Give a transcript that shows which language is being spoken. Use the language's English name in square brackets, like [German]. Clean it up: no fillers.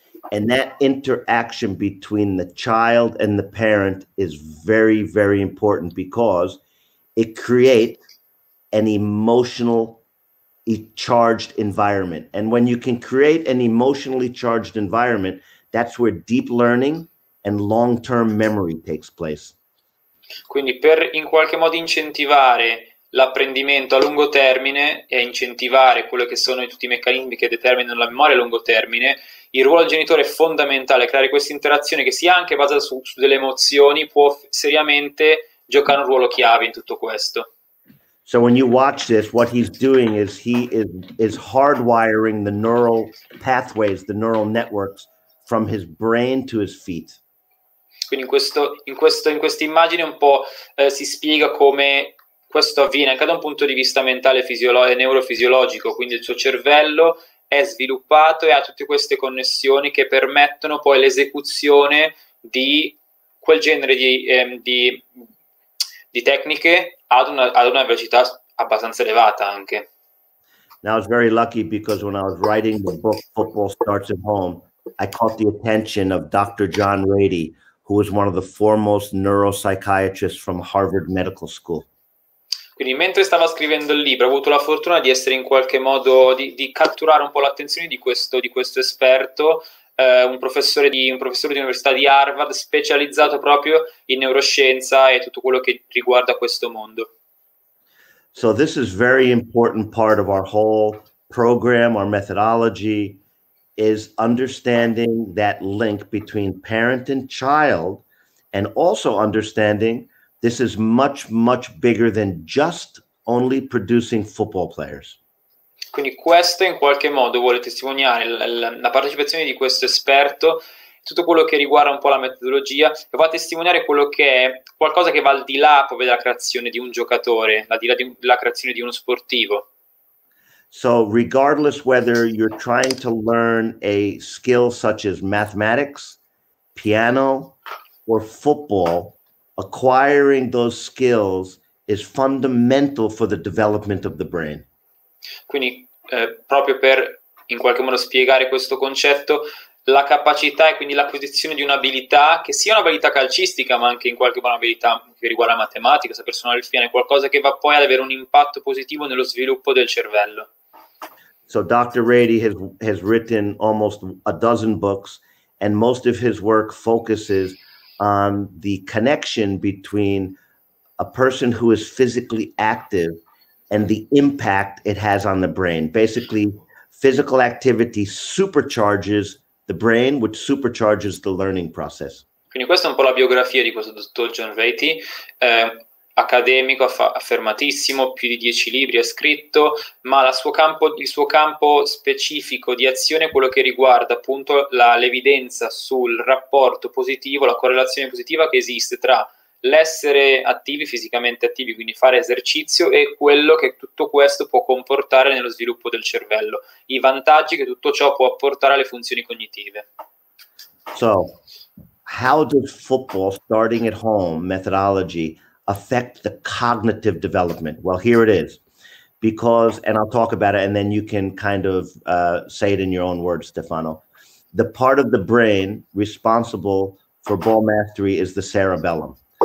[English] And that interaction between the child and the parent is very, very important, because it creates an emotionally charged environment. And when you can create an emotionally charged environment, that's where deep learning and long-term memory takes place. [Italian] Quindi per in qualche modo incentivare l'apprendimento a lungo termine e incentivare quello che sono tutti i meccanismi che determinano la memoria a lungo termine, il ruolo del genitore è fondamentale. Creare questa interazione che sia anche basata su delle emozioni può seriamente giocare un ruolo chiave in tutto questo. [English] So when you watch this, what he's doing is he is hardwiring the neural pathways, the neural networks from his brain to his feet. [Italian] Quindi in questa immagine un po' si spiega come questo avviene anche da un punto di vista mentale e neurofisiologico. Quindi il suo cervello è sviluppato e ha tutte queste connessioni che permettono poi l'esecuzione di quel genere di tecniche ad una velocità abbastanza elevata anche. [English] Now I was very lucky, because when I was writing the book Football Starts at Home, I caught the attention of Dr. John Rady, who was one of the foremost neuropsychiatrists from Harvard Medical School. [Italian] Quindi mentre stava scrivendo il libro, ho avuto la fortuna di essere in qualche modo, di catturare un po' l'attenzione di questo esperto, un professore di università di Harvard, specializzato proprio in neuroscienza e tutto quello che riguarda questo mondo. [English] So this is very important part of our whole program, our methodology, is understanding that link between parent and child, and also understanding this is much, much bigger than just only producing football players. [Italian] Quindi questo in qualche modo vuole testimoniare la partecipazione di questo esperto, tutto quello che riguarda un po' la metodologia, e va a testimoniare quello che è qualcosa che va al di là proprio della creazione di un giocatore, al di là della creazione di uno sportivo. [English] So regardless whether you're trying to learn a skill such as mathematics, piano, or football, acquiring those skills is fundamental for the development of the brain. [Italian] Quindi, proprio per in qualche modo spiegare questo concetto, la capacità e quindi l'acquisizione di un'abilità, che sia un'abilità calcistica, ma anche in qualche modo un'abilità che riguarda la matematica, saper suonare il piano, è qualcosa che va poi ad avere un impatto positivo nello sviluppo del cervello. [English] So Dr. Rady has written almost a dozen books, and most of his work focuses on the connection between a person who is physically active and the impact it has on the brain. Basically, physical activity supercharges the brain, which supercharges the learning process. [Italian] Quindi questa è un po' la biografia di questo dottor John Rady, accademico affermatissimo, più di 10 libri ha scritto, ma il suo campo specifico di azione è quello che riguarda appunto l'evidenza sul rapporto positivo, la correlazione positiva che esiste tra l'essere attivi, fisicamente attivi, quindi fare esercizio, e quello che tutto questo può comportare nello sviluppo del cervello, i vantaggi che tutto ciò può apportare alle funzioni cognitive. [English] So, how does football starting at home methodology affect the cognitive development? Well, here it is. Because, and I'll talk about it and then you can kind of say it in your own words, Stefano. The part of the brain responsible for ball mastery is the cerebellum.